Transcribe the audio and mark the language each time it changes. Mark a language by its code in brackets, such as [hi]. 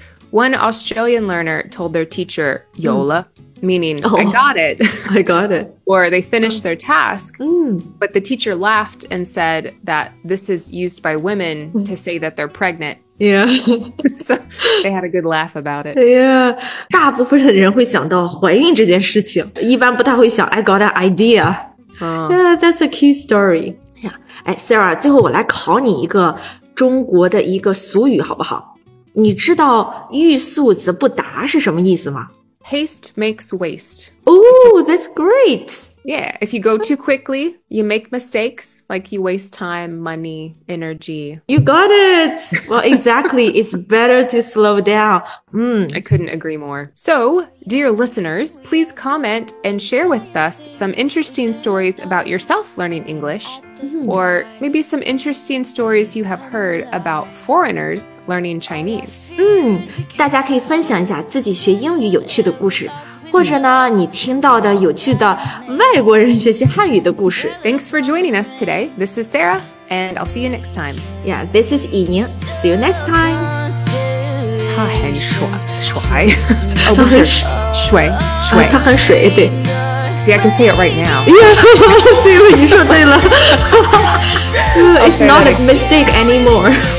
[en] One Australian learner told their teacher, Yola, meaning, I got it. I got it. Or they finished their task, but the teacher laughed and said that this is used by women to say that they're pregnant. Yeah, so they had a good laugh about it. [zh] Yeah, 大部分的人会想到怀孕这件事情，一般不太会想 [en] I got an idea. Yeah, that's a cute story. [zh] Yeah, Sarah, 最后我来考你一个中国的一个俗语好不好？你知道欲速则不达是什么意思吗？ [en] Haste makes waste. Oh, that's great. Yeah, if you go too quickly, you make mistakes, like you waste time, money, energy. You got it. Well, exactly. It's better to slow down. I couldn't agree more. So, dear listeners, please comment and share with us some interesting stories about yourself learning English, or maybe some interesting stories you have heard about foreigners learning Chinese. [zh] 大家可以分享一下自己学英语有趣的故事。或者呢，你听到的有趣的外国人学习汉语的故事。 [en] Thanks for joining us today. This is Sarah, and I'll see you next time. Yeah, this is 以宁. See you next time. [zh] 他很帅，不是水，他很水，对。 [en] See, I can say it right now. Yeah, [zh] 对了，你说对了。 [en] It's not a mistake anymore.